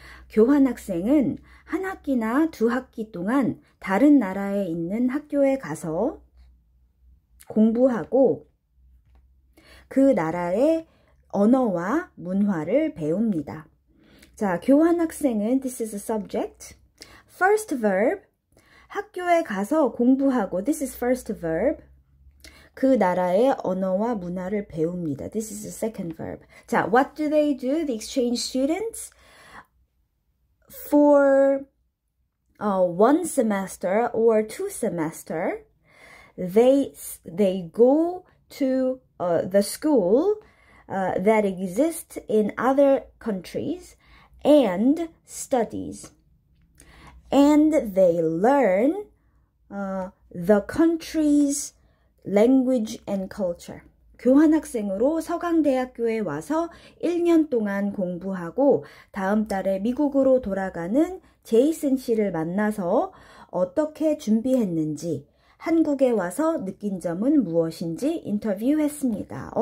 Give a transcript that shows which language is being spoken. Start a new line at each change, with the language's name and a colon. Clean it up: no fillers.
Korean: 교환학생은 한 학기나 두 학기 동안 다른 나라에 있는 학교에 가서 공부하고 그 나라의 언어와 문화를 배웁니다. 자, 교환학생은
English: this is a subject. First verb.
Korean: 학교에 가서 공부하고
English: this is first verb.
Korean: 그 나라의 언어와 문화를 배웁니다.
English: This is a second verb. 자, what do they do, the exchange students? For one semester or two semester, they go to the school that exists in other countries and studies. And they learn the country's language and culture.
Korean: 교환학생으로 서강대학교에 와서 1년 동안 공부하고 다음 달에 미국으로 돌아가는 제이슨 씨를 만나서 어떻게 준비했는지 한국에 와서 느낀 점은 무엇인지 인터뷰했습니다.